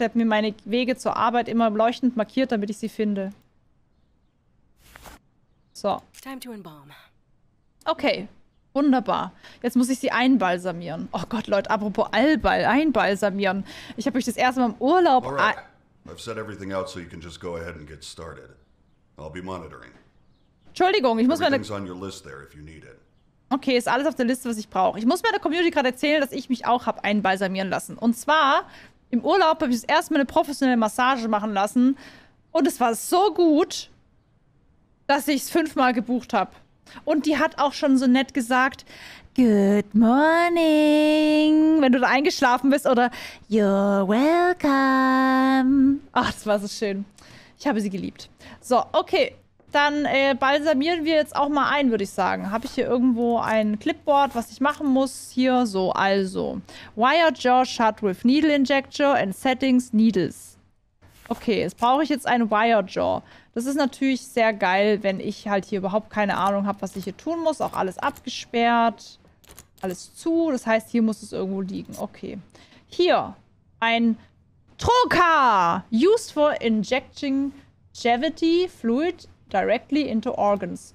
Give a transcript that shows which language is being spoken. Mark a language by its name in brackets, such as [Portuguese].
[German] Er hat mir meine Wege zur Arbeit immer leuchtend markiert, damit ich sie finde. So. [English] Time to embalm. [German] Okay. Wunderbar. Jetzt muss ich sie einbalsamieren. Oh Gott, Leute, apropos Allball, einbalsamieren. Ich habe euch das erste Mal im Urlaub... [English] All right. I've set everything out, so you can just go ahead and get started. I'll be monitoring. [German] Entschuldigung, ich muss meine... [English] Everything's on your list there, if you need it. [German] Okay, ist alles auf der Liste, was ich brauche. Ich muss meiner Community gerade erzählen, dass ich mich auch habe einbalsamieren lassen. Und zwar, im Urlaub habe ich das erste Mal eine professionelle Massage machen lassen. Und es war so gut, dass ich es 5-mal gebucht habe. Und die hat auch schon so nett gesagt, [English] Good morning, [German] wenn du da eingeschlafen bist, oder [English] You're welcome. [German] Ach, das war so schön. Ich habe sie geliebt. So, okay. Dann balsamieren wir jetzt auch mal ein, würde ich sagen. Habe ich hier irgendwo ein Clipboard, was ich machen muss? Hier so, also. [English] Wire jaw shut with needle injector and settings needles. [German] Okay, jetzt brauche ich jetzt ein Wire jaw. Das ist natürlich sehr geil, wenn ich halt hier überhaupt keine Ahnung habe, was ich hier tun muss. Auch alles abgesperrt, alles zu. Das heißt, hier muss es irgendwo liegen. Okay, hier ein Troca. [English] Used for injecting cavity fluid directly into organs.